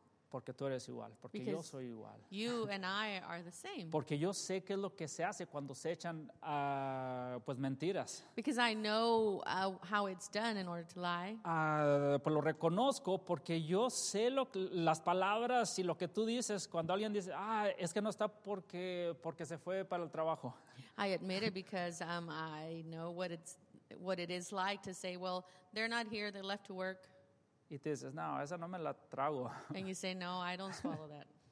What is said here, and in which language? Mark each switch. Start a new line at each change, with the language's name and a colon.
Spanish: Porque tú eres igual, porque
English: because
Spanish: yo soy igual.
English: You and I are the same.
Spanish: Porque yo sé qué es lo que se hace cuando se echan pues mentiras.
English: Because I know how it's done in order to lie.
Spanish: Pues lo reconozco porque yo sé lo las palabras y lo que tú dices cuando alguien dice, "Ah, es que no está porque se fue para el trabajo."
English: I admit it because I know what it is like to say, "Well, they're not here, they left to work."
Spanish: Y te dices, no, esa no me la trago.
English: And you say, no, I don't swallow that.